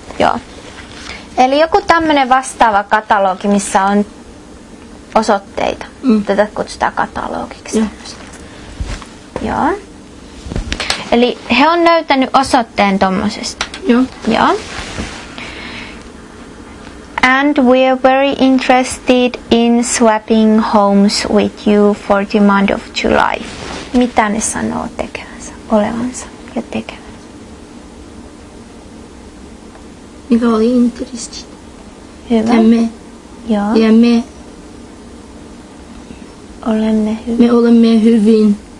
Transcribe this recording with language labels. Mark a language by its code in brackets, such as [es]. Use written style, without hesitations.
[fi] Joo. Eli joku tämmönen vastaava katalogi, missä on osoitteita. Mm. Tätä kutsutaan katalogiksi. Joo. Eli he on näyttänyt osoitteen tommosesta. Joo. [en] And we are very interested in swapping homes with you for the month of July. [fi] Mitä ne sanoo tekevänsä, olevansa ja tekevänsä? Mikä oli interested? Hyvä. Ja me. Olemme hyvin.